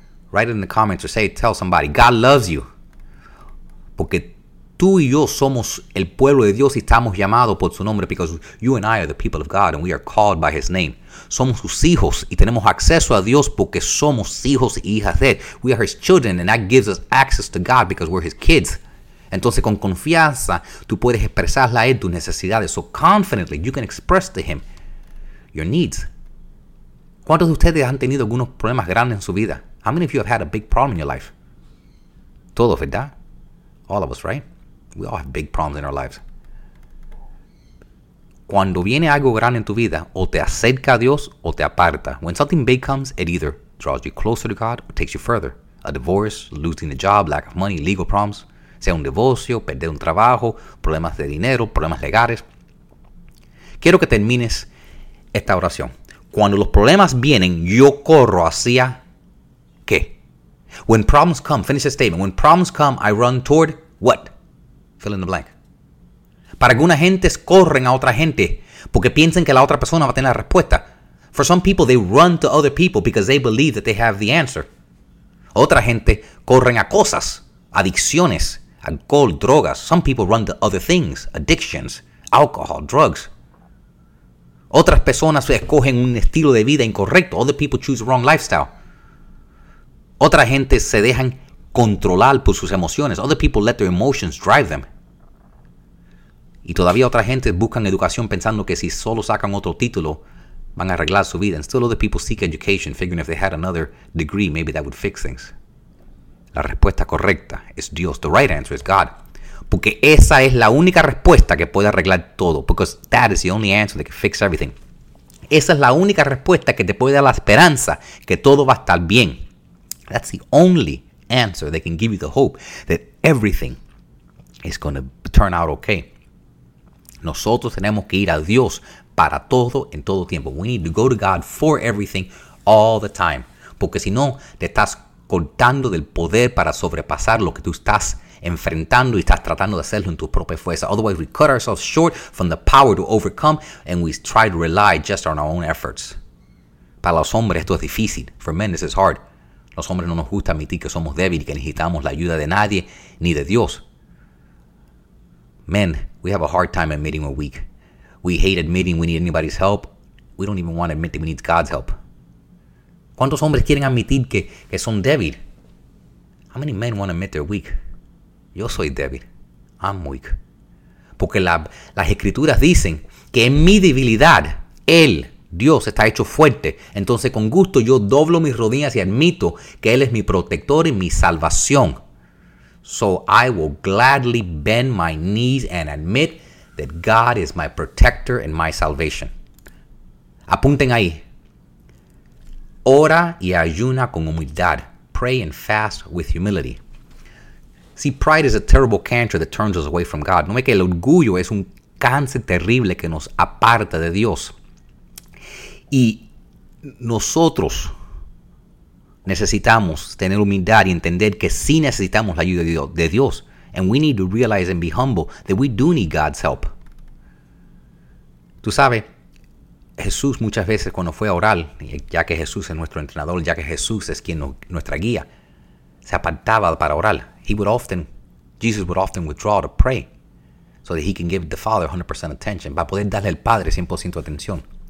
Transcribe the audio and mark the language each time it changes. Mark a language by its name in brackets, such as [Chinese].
[English] Write it in the comments or say, tell somebody, God loves you. [Spanish] Porque tú y yo somos el pueblo de Dios y estamos llamados por su nombre. [English] Because you and I are the people of God and we are called by his name. [Spanish] Somos sus hijos y tenemos acceso a Dios porque somos hijos e hijas de él. [English] We are his children and that gives us access to God because we're his kids. [Spanish] Entonces con confianza tú puedes expresarle a él tus necesidades. [English] So confidently you can express to him your needs. [Spanish] ¿Cuántos de ustedes han tenido algunos problemas grandes en su vida? [English] How many of you have had a big problem in your life? [Spanish] Todos, ¿verdad? [English] All of us, right? We all have big problems in our lives. [Spanish] Cuando viene algo grande en tu vida, o te acerca a Dios, o te aparta. [English] When something big comes, it either draws you closer to God or takes you further. A divorce, losing a job, lack of money, legal problems. [Spanish] Sea un divorcio, perder un trabajo, problemas de dinero, problemas legales. Quiero que termines esta oración. Cuando los problemas vienen, yo corro hacia ¿qué? [English] When problems come, finish the statement. When problems come, I run toward what? Fill in the blank. [Spanish] Para algunas gentes corren a otra gente porque piensan que la otra persona va a tener la respuesta. [English] For some people, they run to other people because they believe that they have the answer. [Spanish] Otra gente corren a cosas, adicciones, alcohol, drogas. [English] Some people run to other things, addictions, alcohol, drugs. [Spanish] Otras personas escogen un estilo de vida incorrecto. [English] Other people choose the wrong lifestyle. [Spanish] Otra gente se dejan controlar por sus emociones. [English] Other people let their emotions drive them. [Spanish] Y todavía otra gente buscan educación pensando que si solo sacan otro título van a arreglar su vida. [English] And still other people seek education, figuring if they had another degree, maybe that would fix things. [Spanish] La respuesta correcta es Dios. [English] The right answer is God. [Spanish] Porque esa es la única respuesta que puede arreglar todo. [English] Because that is the only answer that can fix everything. [Spanish] Esa es la única respuesta que te puede dar la esperanza que todo va a estar bien. [English] That's the only answer that can give you the hope that everything is going to turn out okay. [Spanish] Nosotros tenemos que ir a Dios para todo en todo tiempo. [English] We need to go to God for everything all the time. [Spanish] Porque si no, te estás cortando del poder para sobrepasar lo que tú estás enfrentando y estás tratando de hacerlo en tu propia fuerza. [English] Otherwise, we cut ourselves short from the power to overcome and we try to rely just on our own efforts. [Spanish] Para los hombres esto es difícil. [English] For men, this is hard. [Spanish] Los hombres no nos gusta admitir que somos débiles y que necesitamos la ayuda de nadie ni de Dios. [English] Men, we have a hard time admitting we're weak. We hate admitting we need anybody's help. We don't even want to admit that we need God's help. [Spanish] ¿Cuántos hombres quieren admitir que son débiles? [English] How many men want to admit they're weak? [Spanish] Yo soy débil. [English] I'm weak. [Spanish] Porque las escrituras dicen que en mi debilidad, Él, Dios, está hecho fuerte. Entonces con gusto yo doblo mis rodillas y admito que Él es mi protector y mi salvación. [English] So I will gladly bend my knees and admit that God is my protector and my salvation. [Spanish] Apunten ahí. Ora y ayuna con humildad. [English] Pray and fast with humility. See, pride is a terrible cancer that turns us away from God. [Spanish] No es que el orgullo es un cáncer terrible que nos aparta de Dios. Y nosotros necesitamos tener humildad y entender que sí necesitamos la ayuda de Dios. [English] And we need to realize and be humble that we do need God's help. [Spanish] Tú sabes, Jesús muchas veces cuando fue a orar, ya que Jesús es nuestro entrenador, ya que Jesús es quien nuestra guía, se apartaba para orar. [English] Jesus would often withdraw to pray so that he can give the Father 100% attention, [Spanish] para poder darle al Padre 100% atención.